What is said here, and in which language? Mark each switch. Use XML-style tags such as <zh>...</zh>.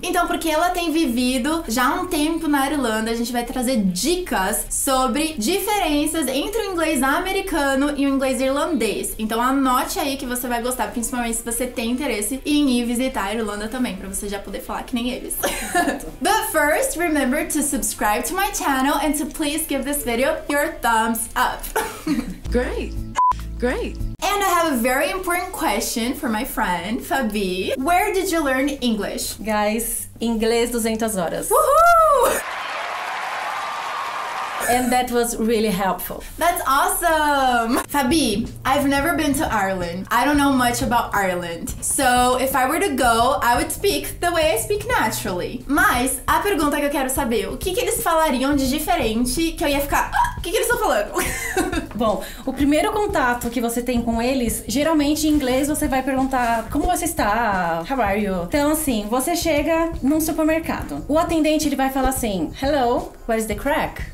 <pt>Então, porque ela tem vivido já um tempo na Irlanda, a gente vai trazer dicas sobre diferenças entre o inglês americano e o inglês irlandês. Então, anote aí que você vai gostar, principalmente se você tem interesse em ir visitar a Irlanda. Irlanda também, pra você já poder falar que nem eles.</pt> <en>But first, remember to subscribe to my channel and to please give this video your thumbs up. Great. Great. And I have a very important question for my friend, Fabi. Where did you learn English? Guys,</en> <pt>inglês 200 horas. Woohoo!</pt> <en>And that was really helpful. That's awesome! Fabi, I've never been to Ireland. I don't know much about Ireland. So, if I were to go, I would speak the way I speak naturally.</en> <pt>Mas, a pergunta que eu quero saber, o que que eles falariam de diferente que eu ia ficar... O que que eles estão falando? Bom, o primeiro contato que você tem com eles, geralmente em inglês você vai perguntar como você está,</pt> <en>how are you?</en> <pt>Então assim, você chega num supermercado. O atendente ele vai falar assim,</pt> <en>hello, what is the crack?</en>